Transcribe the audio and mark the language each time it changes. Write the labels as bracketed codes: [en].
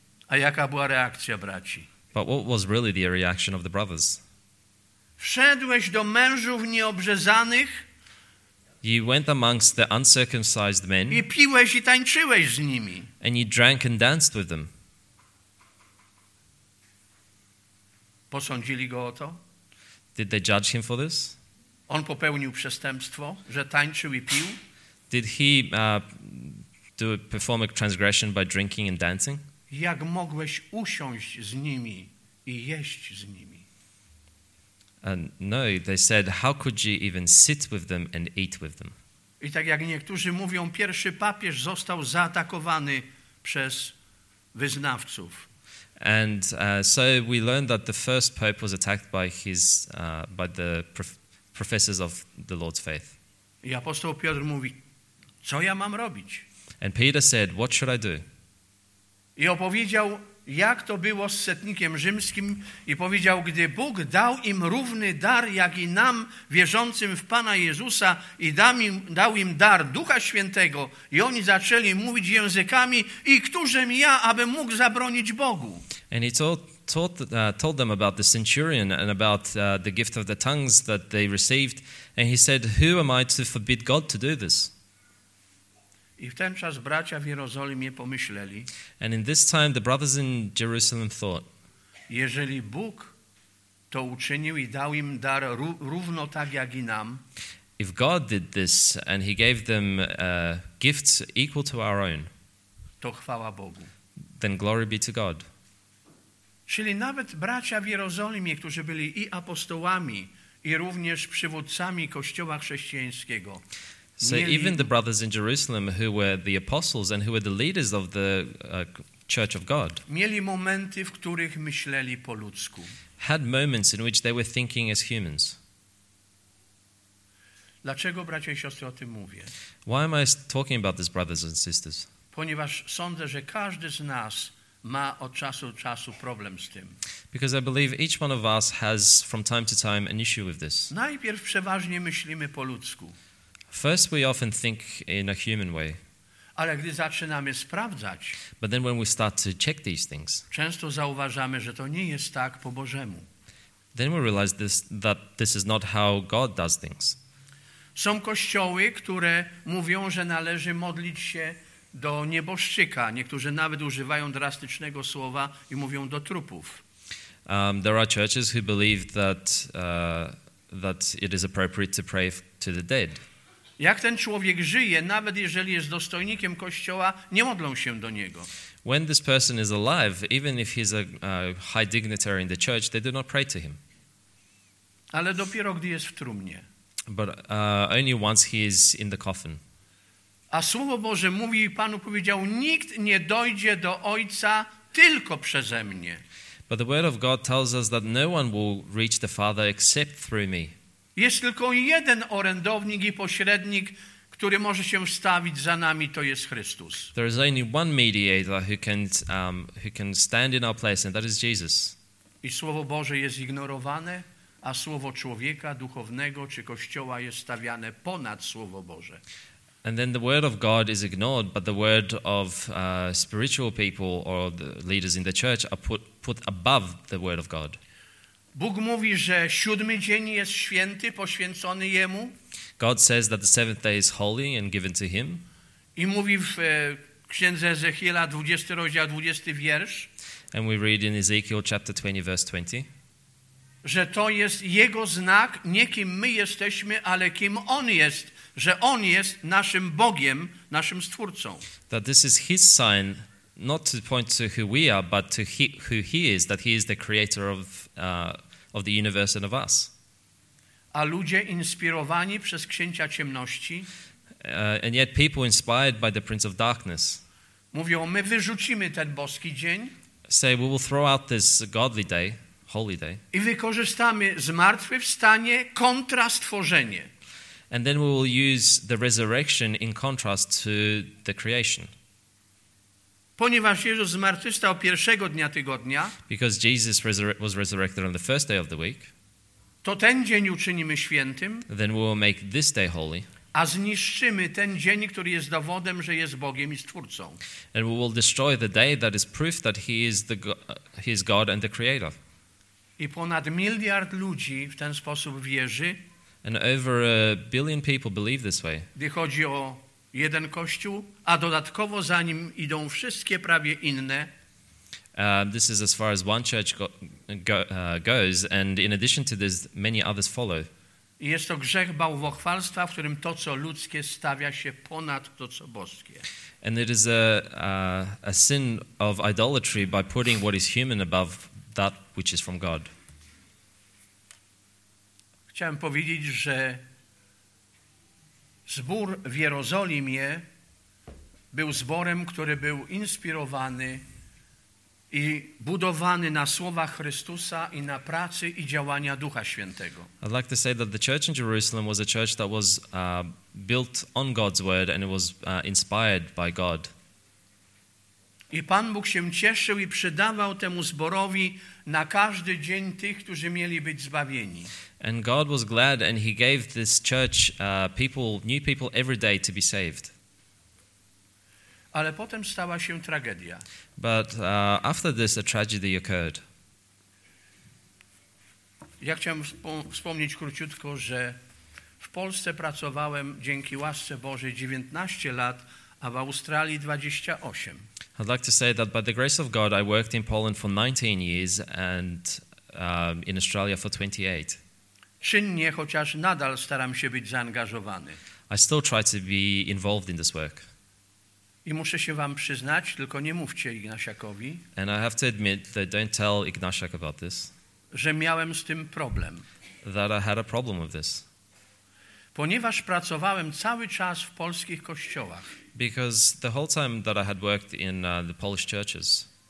[pl] A jaka była reakcja braci? [en] But what was really the reaction of the brothers? [pl] Wszedłeś do mężów nieobrzezanych. [en] You went amongst the uncircumcised men. [pl] I piłeś i tańczyłeś z nimi. [en] And you drank and danced with them. [pl] Posądzili go o to? [en] Did they judge him for this? [pl] On popełnił przestępstwo, że tańczył i pił? [en] Did he perform a transgression by drinking and dancing? [pl] Jak mogłeś usiąść z nimi i jeść z nimi? [en] And no, they said, how could you even sit with them and eat with them? [pl] I tak jak niektórzy mówią, pierwszy papież został zaatakowany przez wyznawców. [en] And so we learned that the first pope was attacked by his by the professors of the Lord's faith. [pl] I apostoł Piotr mówi, co ja mam robić? [en] And Peter said, what should I do? [pl] I opowiedział, jak to było z setnikiem rzymskim, i powiedział, gdy Bóg dał im równy dar, jak i nam, wierzącym w Pana Jezusa, i dał im dar Ducha Świętego, i oni zaczęli mówić językami, i któżem ja, abym mógł zabronić Bogu? [en] And he told them about the centurion and about the gift of the tongues that they received, and he said, who am I to forbid God to do this? [pl] I w ten czas bracia w Jerozolimie pomyśleli. [en] And in this time the brothers in Jerusalem thought. [pl] Jeżeli Bóg to uczynił i dał im dar równo tak jak i nam. [en] If God did this and he gave them gifts equal to our own. [pl] To chwała Bogu. [en] Then glory be to God. [pl] Czyli nawet bracia w Jerozolimie, którzy byli i apostołami, i również przywódcami Kościoła chrześcijańskiego. [en] So even the brothers in Jerusalem who were the apostles and who were the leaders of the church of God [pl] mieli momenty, w których myśleli po ludzku. [en] Had moments in which they were thinking as humans. [pl] Dlaczego, bracia i siostry, o tym mówię? [en] Why am I talking about this, brothers and sisters? [pl] Ponieważ sądzę, że każdy z nas ma od czasu do czasu problem z tym. [en] Because I believe each one of us has from time to time an issue with this. [pl] Najpierw przeważnie myślimy po ludzku. [en] First we often think in a human way. [pl] Ale gdy zaczynamy sprawdzać, [en] but then when we start to check these things, [pl] często zauważamy, że to nie jest tak po Bożemu. [en] Then we realize this, that this is not how God does things. [pl] Są kościoły, które mówią, że należy modlić się do nieboszczyka. Niektórzy nawet używają drastycznego słowa i mówią do trupów. [en] There are churches who believe that that it is appropriate to pray to the dead. [pl] Jak ten człowiek żyje, nawet jeżeli jest dostojnikiem kościoła, nie modlą się do niego. [en] When this person is alive, even if he's a high dignitary in the church, they do not pray to him. [pl] Ale dopiero gdy jest w trumnie. [en] But only once he is in the coffin. [pl] A Słowo Boże mówi, Panu powiedział, nikt nie dojdzie do Ojca tylko przeze mnie. [en] But the word of God tells us that no one will reach the Father except through me. [pl] Jest tylko jeden orędownik i pośrednik, który może się wstawić za nami, to jest Chrystus. [en] There is only one mediator who can stand in our place, and that is Jesus. [pl] I Słowo Boże jest ignorowane, a Słowo człowieka, duchownego czy Kościoła jest stawiane ponad Słowo Boże. [en] And then the word of God is ignored, but the word of spiritual people or the leaders in the church are put above the word of God. [pl] Bóg mówi, że siódmy dzień jest święty, poświęcony Jemu. [en] God says that the seventh day is holy and given to Him. [pl] I mówi w Księdze Ezechiela 20 rozdział 20 wiersz. [en] And we read in Ezekiel chapter 20 verse 20. [pl] Że to jest Jego znak, nie kim my jesteśmy, ale kim On jest, że On jest naszym Bogiem, naszym Stwórcą. [en] That this is His sign, not to point to who we are, but to who He is, that He is the creator of the universe and of us. [pl] A ludzie inspirowani przez księcia ciemności, [en] and yet people inspired by the prince of darkness, [pl] mówią, my wyrzucimy ten boski dzień, [en] say we will throw out this godly day, holy day, [pl] i wykorzystamy zmartwychwstanie kontra stworzenie. [en] And then we will use the resurrection in contrast to the creation. [pl] Ponieważ Jezus zmartwychwstał pierwszego dnia tygodnia, [en] because Jesus was resurrected on the first day of the week, [pl] to ten dzień uczynimy świętym, [en] then we will make this day holy, [pl] a zniszczymy ten dzień, który jest dowodem, że jest Bogiem i Stwórcą. [en] And we will destroy the day that is proof that he is God and the Creator. [pl] I ponad miliard ludzi w ten sposób wierzy. [en] And over a billion people believe this way. [pl] Gdy chodzi o jeden kościół, a dodatkowo za nim idą wszystkie prawie inne. [en] This is as far as one church goes, and in addition to this, many others follow. [pl] Jest to grzech bałwochwalstwa, w którym to, co ludzkie, stawia się ponad to, co boskie. [en] And it is a sin of idolatry by putting what is human above that which is from God. [pl] Chciałem powiedzieć, że zbór w Jerozolimie był zborem, który był inspirowany i budowany na słowach Chrystusa i na pracy i działania Ducha Świętego. [en] I'd like to say that the church in Jerusalem was a church that was built on God's word and it was inspired by God. [pl] I Pan Bóg się cieszył i przydawał temu zborowi na każdy dzień tych, którzy mieli być zbawieni. [en] And God was glad and he gave this church people, new people every day to be saved. [pl] Ale potem stała się tragedia. [en] But after this, a tragedy occurred. [pl] Ja chciałem wspomnieć króciutko, że w Polsce pracowałem dzięki łasce Bożej 19 lat, a w Australii 28. [en] I'd like to say that by the grace of God, I worked in Poland for 19 years and in Australia for 28. [pl] Czynnie, chociaż nadal staram się być zaangażowany. [en] I still try to be involved in this work. [pl] I muszę się wam przyznać, tylko nie mówcie Ignasiakowi. [en] And I have to admit that don't tell Ignasiak about this. [pl] Że miałem z tym problem. [en] That I had a problem with this. [pl] Ponieważ pracowałem cały czas w polskich kościołach. [en] Because the whole time that I had worked in the Polish churches.